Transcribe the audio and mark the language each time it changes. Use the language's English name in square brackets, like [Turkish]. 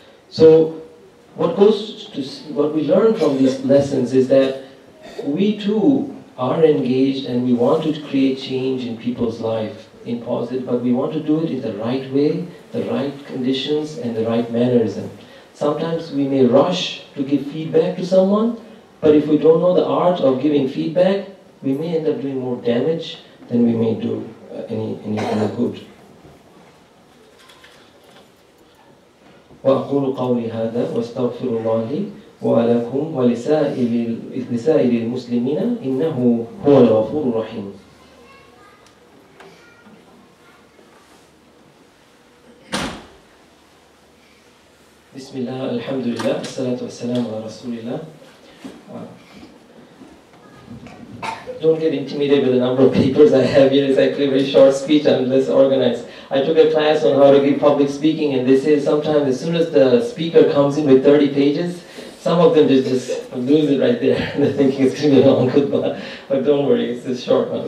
[English] So what we learn from these lessons is that we too are engaged and we want to create change in people's life in positive, but we want to do it in the right way, the right conditions and the right manners. And sometimes we may rush to give feedback to someone, but if we don't know the art of giving feedback, we may end up doing more damage than we may do any good. [Arabic] وأقول قولي هذا واستغفر الله لي ولكم ولسائر المسلمين إنه هو الغفور الرحيم. بسم الله الحمد لله والصلاة والسلام على رسول الله. [English] Don't get intimidated with the number of papers I have here. It's actually a very short speech. I'm less organized. I took a class on how to give public speaking, and they say sometimes as soon as the speaker comes in with 30 pages, some of them just lose it right there. They're thinking it's going to be a long khutbah. But don't worry, it's a short one.